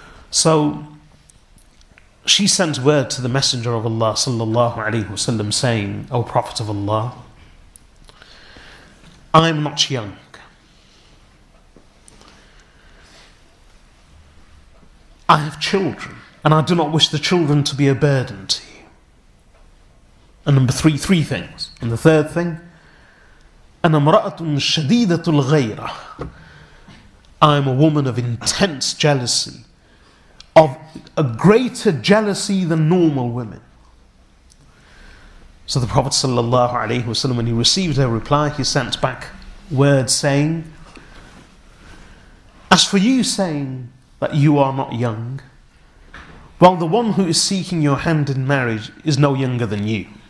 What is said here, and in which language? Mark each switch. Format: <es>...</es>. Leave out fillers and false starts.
<en>So she sent word to the Messenger of Allah sallallahu alaihi wasallam saying, "O Prophet of Allah, I'm not young. I have children, and I do not wish the children to be a burden to you." And number three things. And the third thing,</en> <ar>"أنا امرأة شديدة الغيرة."</ar> <en>I'm a woman of intense jealousy, of a greater jealousy than normal women. So the Prophet sallallahu alaihi wasallam, when he received her reply, he sent back word saying, "As for you saying that you are not young, well, the one who is seeking your hand in marriage is no younger than you.</en>